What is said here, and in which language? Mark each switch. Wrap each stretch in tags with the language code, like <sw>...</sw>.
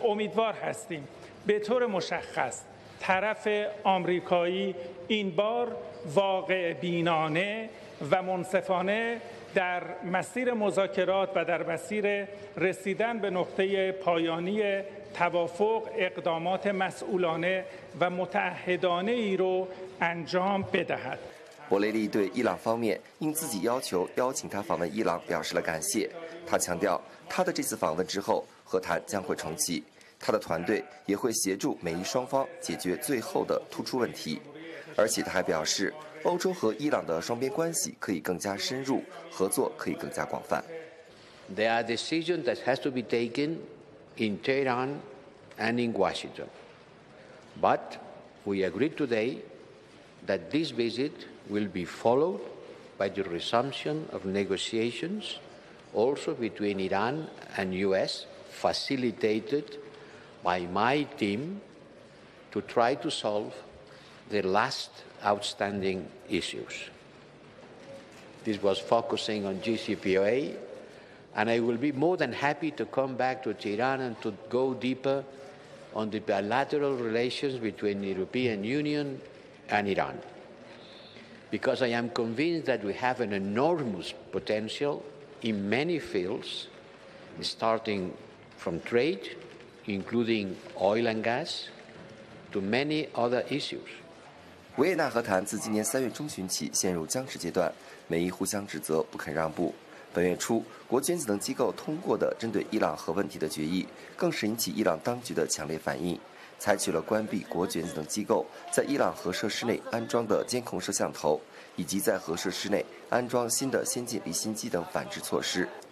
<fa>امیدوار هستیم. به طور مشخص طرف آمریکایی این بار واقع بینانه و منصفانه در مسیر مذاکرات و در مسیر رسیدن به نقطه پایانی توافق اقدامات مسئولانه و متعهدانه ای رو انجام بدهد.</fa> <zh>伯雷利对伊朗方面因自己要求邀请他访问伊朗表示了感谢。他强调，他的这次访问之后，和谈将会重启，他的团队也会协助美伊双方解决最后的突出问题。而且他还表示，欧洲和伊朗的双边关系可以更加深入，合作可以更加广泛。</zh> <en>There are decisions that has to be taken in Tehran and in Washington, but we agreed today that this visit will be followed by the resumption of negotiations, also between Iran and U.S., facilitated by my team to try to solve. The last outstanding issues. This was focusing on JCPOA, and I will be more than happy to come back to Tehran and to go deeper on the bilateral relations between the European Union and Iran, because I am convinced that we have an enormous potential in many fields, starting from trade, including oil and gas, to many other issues.</en> <zh>维也纳和谈自今年三月中旬起陷入僵持阶段，美伊互相指责不肯让步。本月初，国际原子能机构通过的针对伊朗核问题的决议，更是引起伊朗当局的强烈反应，采取了关闭国际原子能机构在伊朗核设施内安装的监控摄像头，以及在核设施内安装新的先进离心机等反制措施。</zh>